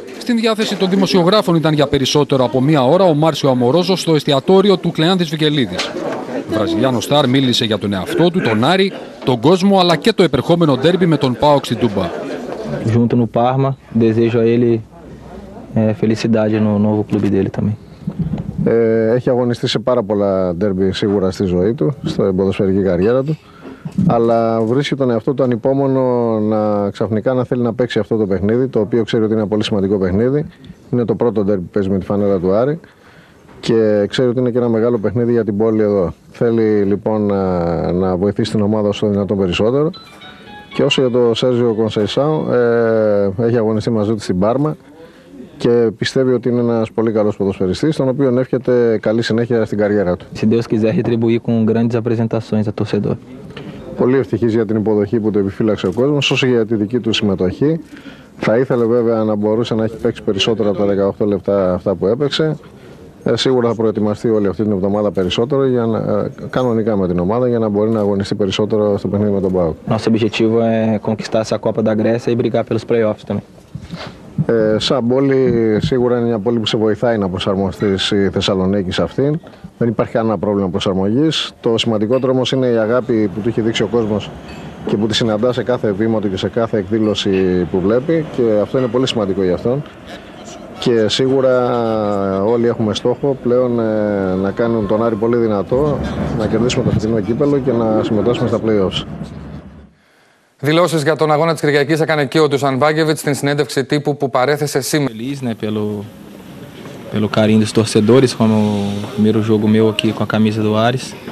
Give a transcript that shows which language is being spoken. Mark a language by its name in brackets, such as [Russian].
[Greek] στην διάθεση των δημοσιογράφων ήταν για περισσότερο από μία ώρα ο Μάρσιο Αμορόζο στο εστιατόριο του Κλεάνθης Βικελίδης. Βραζιλιάνο Σταρ μίλησε για τον εαυτό του, τον Άρη, τον κόσμο αλλά και το επερχόμενο ντέρμπι με τον ΠΑΟΚ στην Τούμπα. [Portuguese] Junto no Parma, desejo a ele felicidade no novo clube dele também. [Greek] Έχει αγωνιστεί σε πάρα πολλά ντέρμπι σίγουρα στη ζωή του, στην ποδοσφαιρική καριέρα του. Αλλά βρίσκει τον εαυτό του ανυπόμονο να ξαφνικά να θέλει να παίξει αυτό το παιχνίδι, το οποίο ξέρει ότι είναι ένα πολύ σημαντικό παιχνίδι. Είναι το πρώτο ντέρμπι που παίζει με τη φανέλα του Άρη και ξέρει ότι είναι και ένα μεγάλο παιχνίδι για την πόλη εδώ. Θέλει λοιπόν να βοηθήσει την ομάδα όσο δυνατόν περισσότερο. Και όσο για τον Σέρζιο Κονσεϊσάο, έχει αγωνιστεί μαζί του στην Πάρμα και πιστεύει ότι είναι ένας πολύ καλός ποδοσφαιριστής, τον οποίο εύχεται καλή συνέχεια στην καριέρα του. [Portuguese] Si Deus quiser retribuir com grandes apresentações a torcedor. [Greek] Πολύ ευτυχής για την υποδοχή που το επιφύλαξε ο κόσμος, όσο για τη δική του συμμετοχή. Θα ήθελε βέβαια να μπορούσε να έχει παίξει περισσότερα από τα 18 λεπτά αυτά που έπαιξε. Σίγουρα θα προετοιμαστεί όλη αυτή την εβδομάδα περισσότερο για να, κανονικά με την ομάδα για να μπορεί να αγωνιστεί περισσότερο στο παιχνίδι με τον ΠΑΟΚ. [Portuguese] Nosso objetivo é conquistar essa Copa da Grécia e brigar pelos playoffs também. [Greek] Σαν πόλη, σίγουρα είναι μια πόλη που σε βοηθάει να προσαρμοστείς η Θεσσαλονίκη σε αυτήν. Δεν υπάρχει κανένα πρόβλημα προσαρμογής. Το σημαντικότερο όμως είναι η αγάπη που του έχει δείξει ο κόσμος και που τη συναντά σε κάθε βήμα του και σε κάθε εκδήλωση που βλέπει. Και αυτό είναι πολύ σημαντικό για αυτόν. Και σίγουρα όλοι έχουμε στόχο πλέον να κάνουν τον Άρη πολύ δυνατό, να κερδίσουμε το φετινό κύπελο και να συμμετάσχουμε στα play-offs. Δηλώσεις για τον αγώνα της Κυριακής έκανε και ο Ντουσαν Βάγκεβιτς στην συνέντευξη τύπου που παρέθεσε σήμερα. [Portuguese] Feliz, né, pelo carinho dos torcedores, como o primeiro jogo meu aqui com a camisa do Ares.